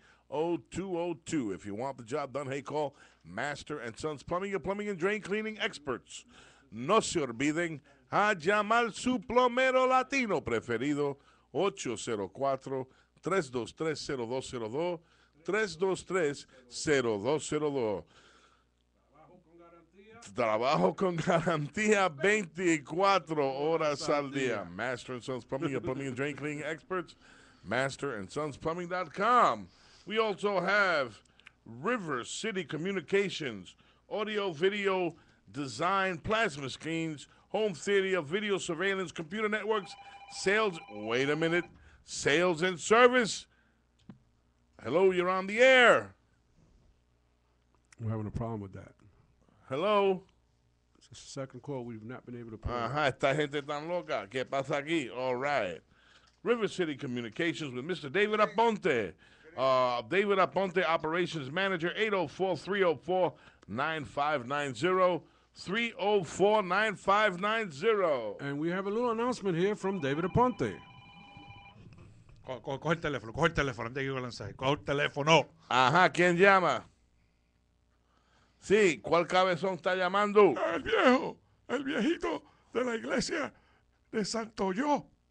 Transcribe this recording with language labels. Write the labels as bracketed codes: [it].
[en] 323-0202. If you want the job done, hey, call Master and Sons Plumbing, your plumbing and drain cleaning experts. [es] No se olviden a llamar su plomero latino preferido. [en] 804-323-0202. 323-0202. [es] Trabajo con garantía 24 horas al día. [en] Master and Sons Plumbing, your plumbing and drain cleaning experts. MasterandSonsPlumbing.com. We also have River City Communications, audio, video, design, plasma screens, home theater, video surveillance, computer networks, sales. Wait a minute. Sales and service. Hello, you're on the air. We're having a problem with that. Hello. It's the second call we've not been able to play. [es] Esta gente tan loca. ¿Qué pasa aquí? [en] All right. River City Communications with Mr. David Aponte. David Aponte, Operations Manager, 804-304-9590. 304-9590. And we have a little announcement here from David Aponte. [es] Coge el teléfono, coge el teléfono. Antes de que yo lance, coge el teléfono. Ajá, ¿quién llama? Sí, ¿cuál cabezón está llamando? El viejo, el viejito de la iglesia de Santo Yo.